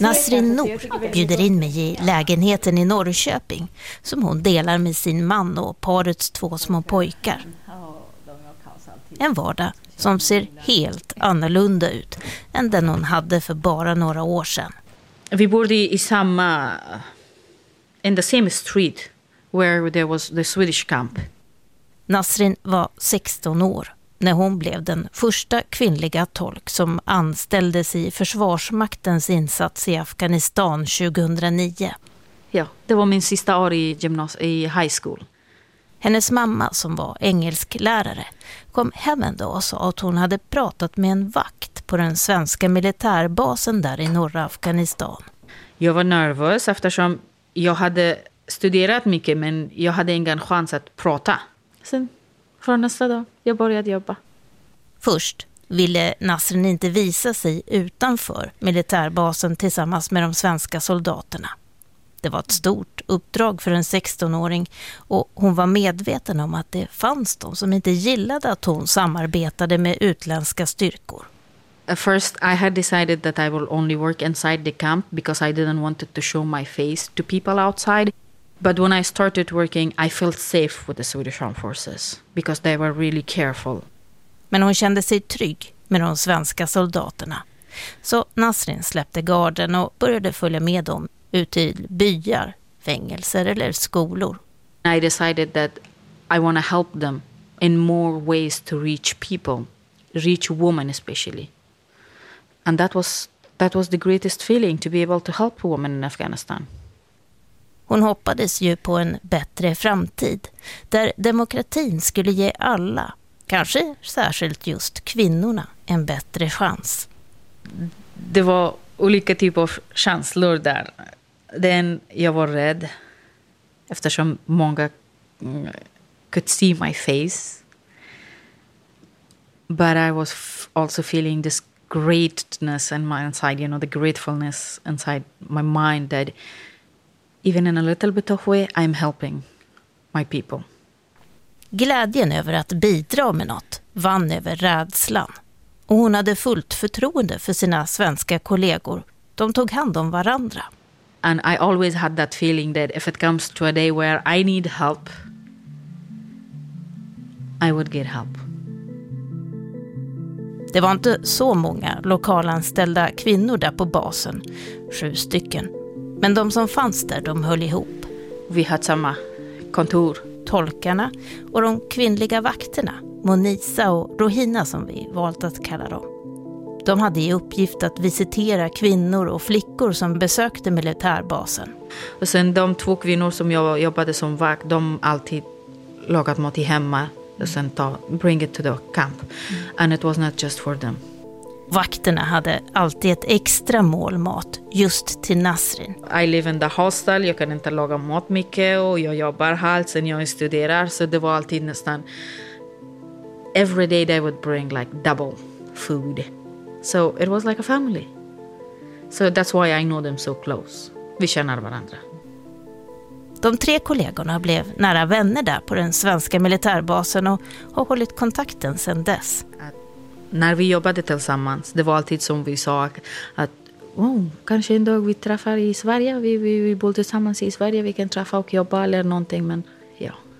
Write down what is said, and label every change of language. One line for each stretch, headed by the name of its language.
Swedish: Nasrin Nour bjuder in mig i lägenheten i Norrköping som hon delar med sin man och parets 2 små pojkar. En vardag som ser helt annorlunda ut än den hon hade för bara några år sedan. Vi bodde i samma,
English: in the same street where there was the Swedish camp.
Swedish: Nasrin var 16 år. När hon blev den första kvinnliga tolk som anställdes i försvarsmaktens insats i Afghanistan 2009. Ja, det var min sista år i high school. Hennes mamma som var engelsklärare kom hem en dag och sa att hon hade pratat med en vakt på den svenska militärbasen där i norra Afghanistan. Jag var nervös eftersom jag hade studerat mycket men jag hade ingen chans att prata. Sen från nästa dag. Jag började jobba. Först ville Nasrin inte visa sig utanför militärbasen tillsammans med de svenska soldaterna. Det var ett stort uppdrag för en 16-åring och hon var medveten om att det fanns de som inte gillade att hon samarbetade med utländska styrkor.
English: First I had decided that I will only work inside the camp because I didn't want to show my face to people outside. But when I started working I felt safe with the Swedish Armed Forces because they were really careful.
Swedish: Men hon kände sig trygg med de svenska soldaterna. Så Nasrin släppte garden och började följa med dem ut i byar, fängelser eller skolor.
English: I decided that I want to help them in more ways to reach people, reach women especially. And that was the greatest feeling to be able to help women in Afghanistan.
Swedish: Hon hoppades ju på en bättre framtid där demokratin skulle ge alla, kanske särskilt just kvinnorna, en bättre chans. Det var olika typer av känslor där. Den jag var rädd eftersom många
English: could see my face. But I was also feeling this greatness in my inside, you know, the gratefulness inside my mind that even in a little bit of way, I'm helping my people.
Swedish: Glädjen över att bidra med något vann över rädslan. och hon hade fullt förtroende för sina svenska kollegor. De tog hand om varandra.
English: And I always had that feeling that if it comes to a day where I need help, I would get help.
Swedish: Det var inte så många lokalanställda kvinnor där på basen, 7 stycken. Men de som fanns där, de höll ihop. Vi hade samma kontor. Tolkarna och de kvinnliga vakterna, Monisa och Rohina som vi valt att kalla dem. De hade i uppgift att visitera kvinnor och flickor som besökte militärbasen. Och sen de två kvinnor som jag jobbade som vakt, de alltid lagat mat hemma och sen
English: bring it to the camp. And it was not just for them.
Swedish: Vakterna hade alltid ett extra mål mat just till Nasrin.
English: I live in the hostel,
Swedish: jag kan inte laga mat mycket och jag jobbar här sen jag studerar. Så det var alltid nästan,
English: every day they would bring like double food. So it was like a family. So that's why I know them so close.
Swedish: Vi känner varandra. De tre kollegorna blev nära vänner där på den svenska militärbasen och har hållit kontakten sedan dess. När vi jobbade tillsammans, det var alltid som vi sa att kanske en dag vi träffar i Sverige, vi bor tillsammans i Sverige, vi kan träffa och jobba eller någonting, men ja.